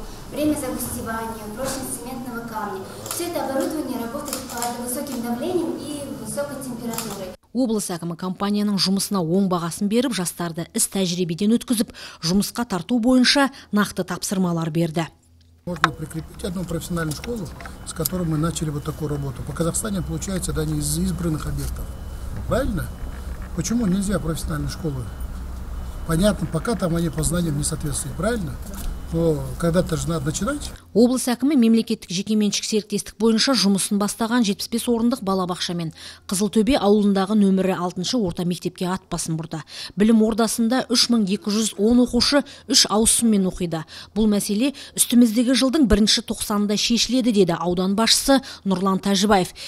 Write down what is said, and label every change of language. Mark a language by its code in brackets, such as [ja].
[ru] Время загустевания, прочность цементного камня. Все это оборудование работает под высоким давлением и высокой температурой. [kk] Облыс әкімі компанияның жұмысына оң бағасын беріп, жастарды іс тәжірибеден өткізіп, жұмысқа тарту бойынша нақты тапсырмалар берді. [ru] Можно прикрепить одну профессиональную школу, с которой мы начали вот такую работу. По Казахстане получается, да, не из избранных объектов. Правильно? Почему нельзя профессиональную школу? Понятно, пока там они по знаниям не соответствуют. Правильно? Когда-то же надо начинать. [kk] Облыс әкімі мемлекеттік жекеменшік серіктестік бойынша жұмысын бастаған 75 орындық балабақша мен Қызылтөбе ауылындағы нөмірі 6-шы орта мектепке ат басын бұрды. Білім ордасында 3210 оқушы 3 ауысыммен оқиды. Бұл мәселе үстіміздегі жылдың 1-ші 90-ында шешіледі, деді аудан басшысы Нұрлан Тәжібаев.